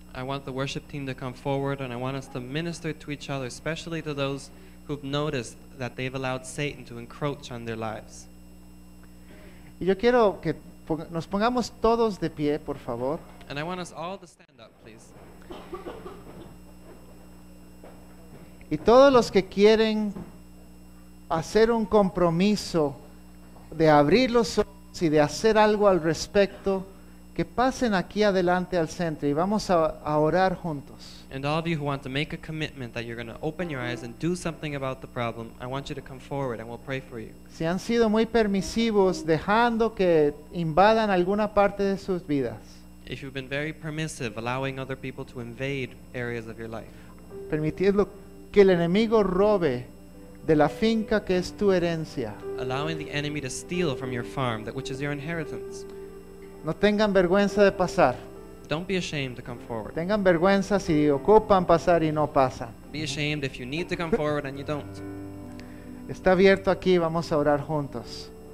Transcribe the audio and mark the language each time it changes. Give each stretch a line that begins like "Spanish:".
English: I want the worship team to come forward and I want us to minister to each other, especially to those who've noticed that they've allowed Satan to encroach on their lives.
Spanish: Y yo quiero que nos pongamos todos de pie, por favor.
English: And I want us all to stand up, please.
Spanish: Y todos los que quieren hacer un compromiso de abrir los ojos y de hacer algo al respecto, que pasen aquí adelante al centro y vamos a orar juntos.
English: And all of you who want to make a commitment that you're going to open your eyes and do something about the problem, I want you to come forward and we'll pray for you.
Spanish: Si han sido muy permisivos dejando que invadan alguna parte de sus vidas.
English: If you've been very permissive allowing other people to invade areas of your life.
Spanish: Permitiendo que el enemigo robe de la finca que es tu herencia.
English: Allowing the enemy to steal from your farm that which is your inheritance.
Spanish: No tengan vergüenza de pasar.
English: Don't be ashamed to come forward.
Spanish: Tengan vergüenza si ocupan pasar y no pasan.
English: Be ashamed if you need to come forward and you don't.
Spanish: Está abierto aquí, vamos a orar juntos.